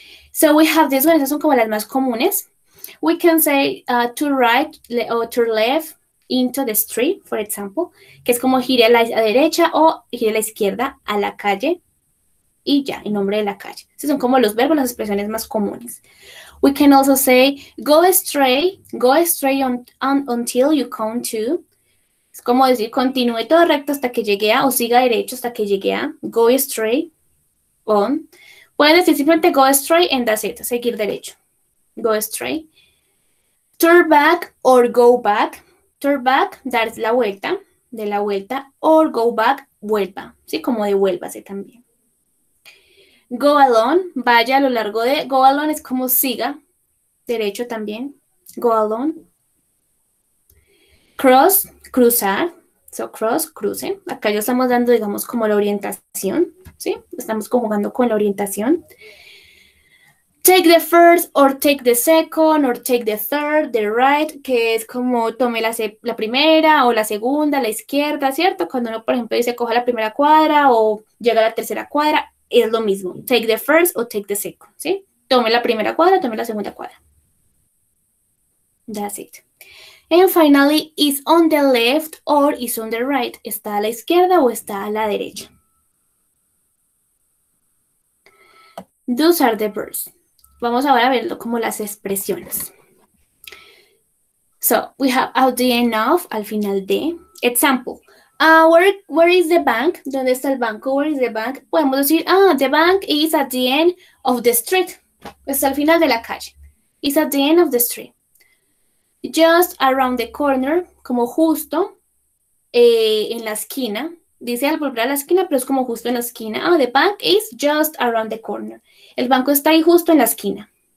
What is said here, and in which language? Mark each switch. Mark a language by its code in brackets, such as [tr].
[en] So we have this one, [es] esas son como las más comunes. [en] We can say to right or to left into the street, for example, [es] que es como gire a la derecha o gire a la izquierda a la calle y ya, el nombre de la calle. Esos son como los verbos, las expresiones más comunes. [en] We can also say go straight until you come to. [es] Es como decir, continúe todo recto hasta que llegue a, o siga derecho hasta que llegue a, [en] go straight on. [es] Puedes decir simplemente [en] go straight and that's it, [es] seguir derecho. [en] Go straight, turn back or go back, turn back, [es] dar la vuelta, de la vuelta, [en] or go back, [es] vuelva, ¿sí? Como devuélvase también. Go alone, vaya a lo largo de, go alone es como siga, derecho también, go alone. Cross, cruzar, so cross, crucen, acá ya estamos dando, digamos, como la orientación, ¿sí? Estamos conjugando con la orientación. [en] Take the first, or take the second, or take the third, the right, [es] que es como tome la primera o la segunda, la izquierda, ¿cierto? Cuando uno, por ejemplo, dice coja la primera cuadra o llega a la tercera cuadra, es lo mismo. [en] Take the first or take the second, [es] ¿sí? Tome la primera cuadra, tome la segunda cuadra. [en] That's it. And finally, is on the left or is on the right. [es] ¿Está a la izquierda o está a la derecha? [en] Those are the verbs. [es] Vamos ahora a verlo como las expresiones. [en] So, we have at the end of, [es] al final de. [en] Example, where is the bank? [es] ¿Dónde está el banco? [en] Where is the bank? [es] Podemos decir, [en] the bank is at the end of the street. [es] Está al final de la calle. [en] It's at the end of the street. Just around the corner, [es] como justo en la esquina. Dice al volver a la esquina, pero es como justo en la esquina. [en] Oh, the bank is just around the corner. [es] El banco está ahí justo en la esquina.